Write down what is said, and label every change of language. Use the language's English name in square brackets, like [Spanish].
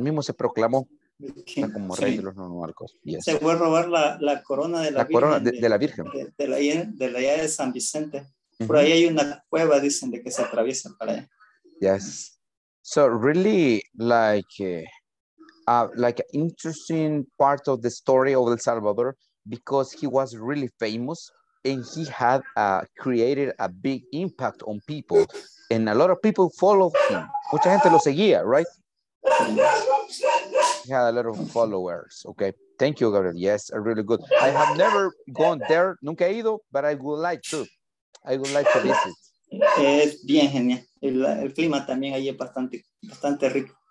[Spanish] Mismo se proclamó como rey de los Nonalcos. [English] Yes. [Spanish] Se fue a robar la corona de la corona Virgen. De la Virgen. De la llave de San Vicente. Uh-huh. Por ahí hay una cueva, dicen, de que se atraviesa para allá. [English] Yes. So, really, like an interesting part of the story of El Salvador, because he was really famous. And he had created a big impact on people. And a lot of people followed him. [Spanish] Mucha gente lo seguía, [English] right? He had a lot of followers. Okay. Thank you, Gabriel. Yes, really good. I have never gone there. [Spanish] Nunca he ido, [English] but I would like to. I would like to visit. [Spanish] Es bien genial. El clima también ahí es bastante, bastante rico.